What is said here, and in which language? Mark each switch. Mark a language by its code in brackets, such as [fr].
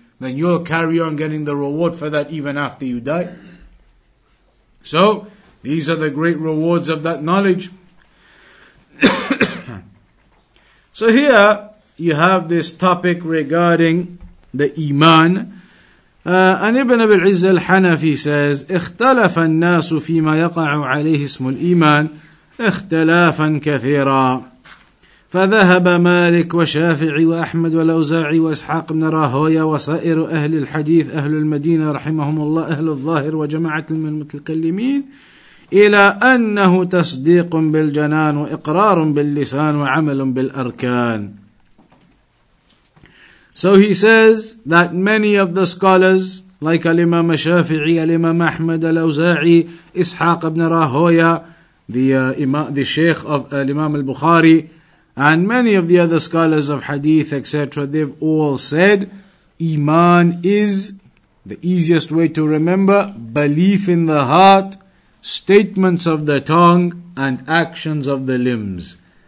[en] Then you'll carry on getting the reward for that even after you die. So, these are the great rewards of that knowledge. So here, you have this topic regarding the iman. And Ibn Abi al-Izz al-Hanafi says, [ar] اختلَفَ النَّاسُ فِي مَا يَقَعُ عَلَيْهِ اسْمُ الْإِيمَانِ اختلافاً كَثِيرًا فذهب مالك وشافعي وأحمد والأوزاعي وإسحاق بن راهوية وسائر أهل الحديث أهل المدينة رحمهم الله أهل الظاهر وجماعة من المتكلمين إلى أنه تصديق بالجنان وإقرار باللسان وعمل بالأركان. [en] So he says that many of the scholars like Al-Imam Shafi'i, Al-Imam Ahmad Al-Awza'i, Ishaq ibn Rahoya, the Sheikh of Al-Imam Al-Bukhari, and many of the other scholars of Hadith, etc., they've all said, Iman is the easiest way to remember, belief in the heart, statements of the tongue, and actions of the limbs.